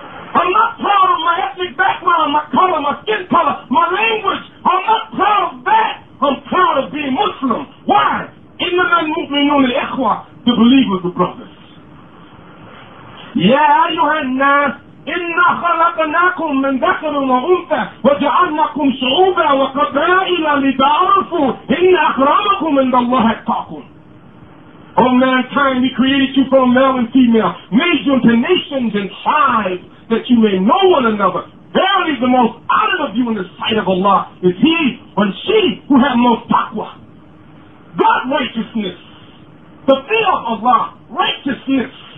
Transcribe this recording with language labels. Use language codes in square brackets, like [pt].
[en] I'm not proud of my ethnic background, my color, my skin color, my language. I'm not proud of that. I'm proud of being Muslim. Why? In the name of the Ikhwah, the believers, the brothers. Yeah, [ar] أيها الناس إنا خلقناكم من ذكر وأنثى وجعلناكم شعوبا وقبائل لتعارفوا إن أكرمكم عند الله أتقاكم. [en] Oh mankind, we created you from male and female, made you into nations and tribes that you may know one another. Verily, the most honored of you in the sight of Allah is he and she who have most taqwa. God righteousness, the fear of Allah, righteousness.